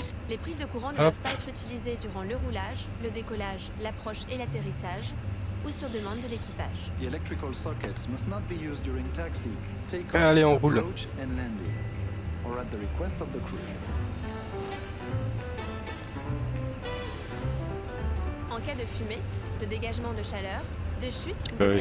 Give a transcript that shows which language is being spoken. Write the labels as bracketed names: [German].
[French] Les prises de courant ne peuvent pas être utilisées durant le roulage, le décollage, l'approche et l'atterrissage. Ou sur demande de l'équipage. [English] The electrical sockets must not be used during taxi. Take off, [French] allez, on roule. [English] Approach and landing, or at the request of the crew. [French] En cas de fumée, de dégagement de chaleur, de chute,